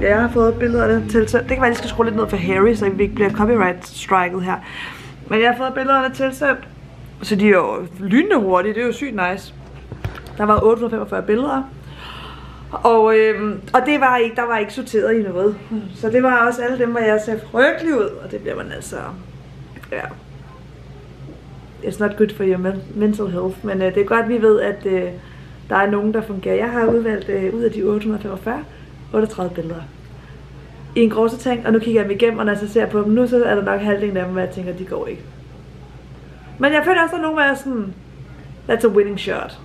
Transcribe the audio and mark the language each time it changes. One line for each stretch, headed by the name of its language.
Danish: Jeg har fået billederne tilsendt. Det kan være, at jeg skal skrue lidt ned for Harry, så vi ikke bliver copyright-striket her. Men jeg har fået billederne tilsendt. Så de er jo lynende hurtige, det er jo sygt nice. Der var 845 billeder. Og det var ikke, der var ikke sorteret i noget. Så det var også alle dem, hvor jeg ser frygtelig ud. Og det bliver man altså... Ja.
English: It's not good for your mental health.
Danish: Men det er godt, vi ved, at der er nogen, der fungerer. Jeg har udvalgt ud af de 845, 38 billeder. I en grosse tank, og nu kigger jeg dem igennem, og når jeg ser på dem nu, så er der nok halvdelen af dem, hvad jeg tænker, de går ikke. Men jeg føler også, at nogen er sådan,
English: that's a winning shot.